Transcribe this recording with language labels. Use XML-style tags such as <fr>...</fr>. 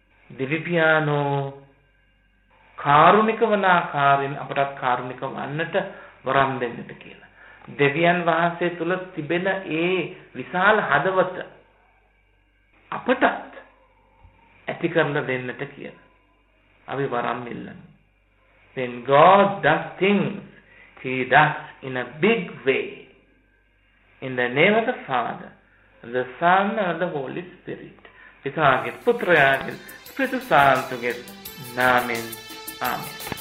<si>දෙවිපියාණෝ කාරුණික වන ආකාරයෙන් අපටත් කාරුණික වන්නට වරම් දෙන්නට කියලා. දෙවියන් වහන්සේ තුල තිබෙන ඒ විශාල හදවත අපට ඇති කරන දෙන්නට කියන අපි වරම් ඉල්ලමු.</si> <en>When God does things, He does in a big way. In the name of the Father, the Son, and the Holy Spirit.</en> <si>පිතාගේ පුත්‍රයාගේ සිතු සාන්තුගේ නාමෙන් amen.</si>